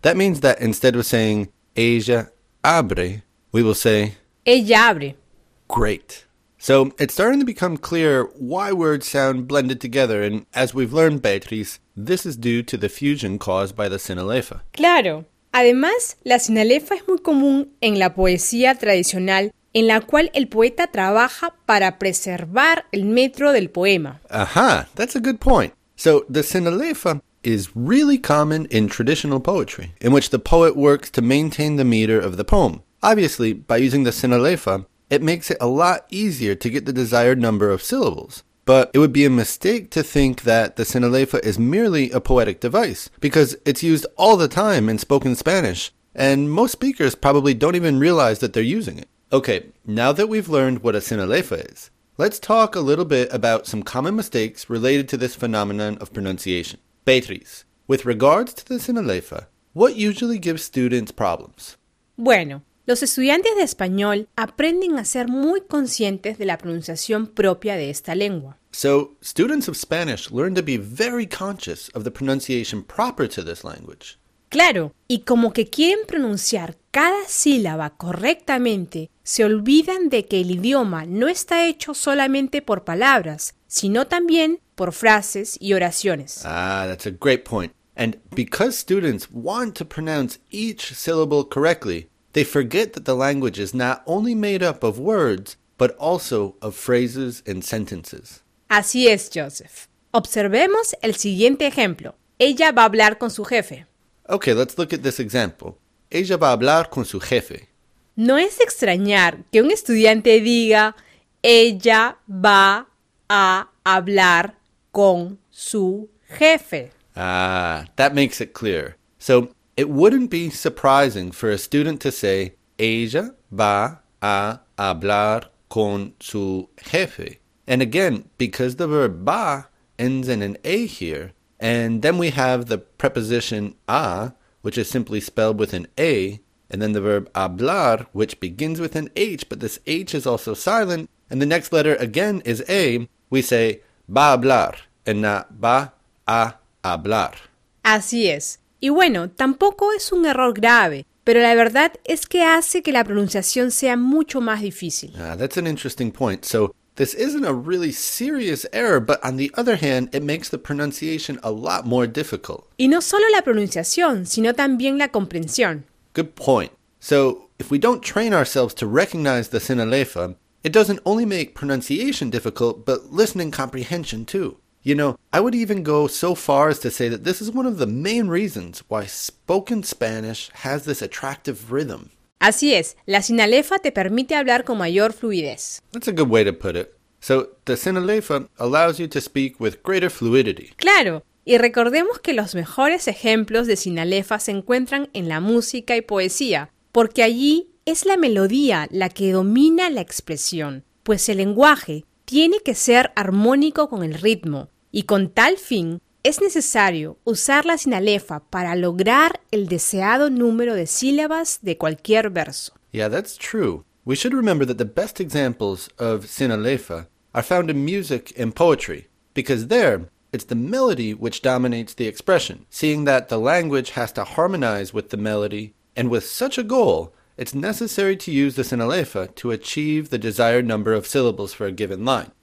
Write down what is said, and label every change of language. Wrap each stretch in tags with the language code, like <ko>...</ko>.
<en>That means that instead of saying</en> <es>ella abre,</es> <en>we will say</en> <es>ella abre.</es> <en>Great. So it's starting to become clear why words sound blended together, and as we've learned, Beatriz, this is due to the fusion caused by the sinalefa.</en> <es>Claro. Además, la sinalefa es muy común en la poesía tradicional, en la cual el poeta trabaja para preservar el metro del poema.</es> <en>Ajá, that's a good point. So the sinalefa is really common in traditional poetry, in which the poet works to maintain the meter of the poem. Obviously, by using the sinalefa, it makes it a lot easier to get the desired number of syllables. But it would be a mistake to think that the sinalefa is merely a poetic device, because it's used all the time in spoken Spanish, and most speakers probably don't even realize that they're using it. Okay, now that we've learned what a sinalefa is, let's talk a little bit about some common mistakes related to this phenomenon of pronunciation. Beatriz, with regards to the sinalefa, what usually gives students problems?</en> <es>Bueno, los estudiantes de español aprenden a ser muy conscientes de la pronunciación propia de esta lengua.</es> <en>So, students of Spanish learn to be very conscious of the pronunciation proper to this language.</en> <es>Claro, y como que quieren pronunciar cada sílaba correctamente, se olvidan de que el idioma no está hecho solamente por palabras, sino también por frases y oraciones.</es> <en>Ah, that's a great point. And because students want to pronounce each syllable correctly, they forget that the language is not only made up of words, but also of phrases and sentences.</en> <es>Así es, Joseph. Observemos el siguiente ejemplo. Ella va a hablar con su jefe.</es> <en>Okay, let's look at this example.</en> <es>Ella va a hablar con su jefe. No es extrañar que un estudiante diga, ella va a hablar con su jefe.</es> <en>Ah, that makes it clear. So, it wouldn't be surprising for a student to say,</en> <es>ella va a hablar con su jefe.</es> <en>And again, because the verb va ends in an A here, and then we have the preposition a, which is simply spelled with an A, and then the verb hablar, which begins with an H, but this H is also silent, and the next letter again is A, we say</en> <es>va hablar,</es> <en>and not</en> <es>va a hablar. Así es. Y bueno, tampoco es un error grave, pero la verdad es que hace que la pronunciación sea mucho más difícil.</es> <en>Ah, that's an interesting point. So, this isn't a really serious error, but on the other hand, it makes the pronunciation a lot more difficult.</en> <es>Y no solo la pronunciación, sino también la comprensión.</es> <en>Good point. So, if we don't train ourselves to recognize the sinalefa, it doesn't only make pronunciation difficult, but listening comprehension too. You know, I would even go so far as to say that this is one of the main reasons why spoken Spanish has this attractive rhythm.</en> <es>Así es, la sinalefa te permite hablar con mayor fluidez.</es> <en>That's a good way to put it. So, the sinalefa allows you to speak with greater fluidity.</en> <es>Claro, y recordemos que los mejores ejemplos de sinalefa se encuentran en la música y poesía, porque allí es la melodía la que domina la expresión, pues el lenguaje tiene que ser armónico con el ritmo, y con tal fin, es necesario usar la sinalefa para lograr el deseado número de sílabas de cualquier verso.</es> <en>Yeah, that's true. We should remember that the best examples of sinalefa are found in music and poetry, because there, it's the melody which dominates the expression, seeing that the language has to harmonize with the melody, and with such a goal, it's necessary to use the sinalefa to achieve the desired number of syllables for a given line.</en>